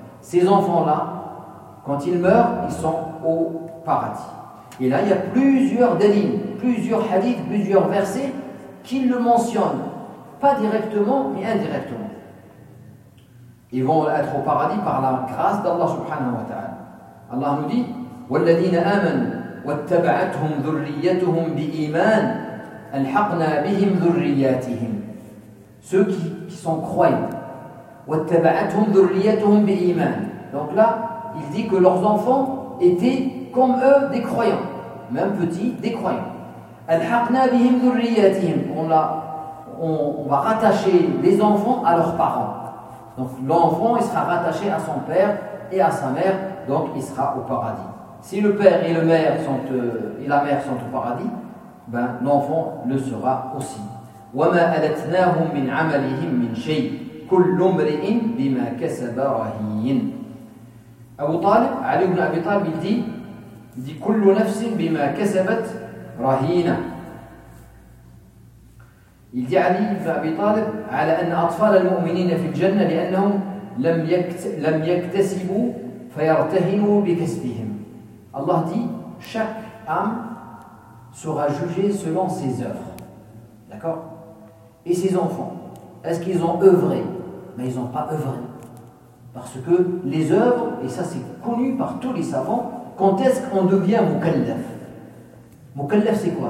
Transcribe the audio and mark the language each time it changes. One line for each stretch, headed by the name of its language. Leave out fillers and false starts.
French: Ces enfants-là, quand ils meurent, ils sont au paradis. Et là, il y a plusieurs délits, plusieurs hadiths, plusieurs versets qui le mentionnent. Pas directement, mais indirectement. Ils vont être au paradis par la grâce d'Allah subhanahu wa ta'ala. Allah nous dit
Arabic: والذين آمنوا واتبعتهم ذريتهم بإيمان ألحقنا بهم ذرياتهم
French: ceux qui sont croyants
Arabic: واتبعتهم ذريتهم بإيمان.
French: Donc là il dit que leurs enfants étaient comme eux des croyants, même petits des croyants.
Arabic: ألحقنا بهم ذرياتهم,
French: on va rattacher les enfants à leurs parents. Donc l'enfant il sera rattaché à son père et à sa mère. Donc, il sera au paradis. Si le père et la mère sont au paradis, ben, l'enfant le sera aussi.
Arabic: وَمَا أَلَتْنَاهُمْ مِنْ عَمَلِهِمْ مِنْ شَيْءٍ كُلُّ امْرِئٍ بِمَا كَسَبَ رَهِينٌ. Abu Talib, Ali ibn Abi Talib,
French: il dit,
Arabic: كُلُّ نَفْسٍ بِمَا كَسَبَتْ رَهِينَ.
French: Il dit,
Arabic: Ali ibn Abi Talib, عَلَى أَنَّ أَطْفَالَ الْمُؤْمِنِينَ فِي الْجَنَّةِ لِأَنَّهُمْ لَمْ يَكْتَسِبُوا فَيَرْتَهِنُوا بِكَسْبِهِمْ.
French: Allah dit, chaque âme sera jugée selon ses œuvres. D'accord? Et ses enfants, est-ce qu'ils ont œuvré? Mais ils n'ont pas œuvré. Parce que les œuvres, et ça c'est connu par tous les savants, quand est-ce qu'on devient mukallaf? Mukallaf c'est quoi?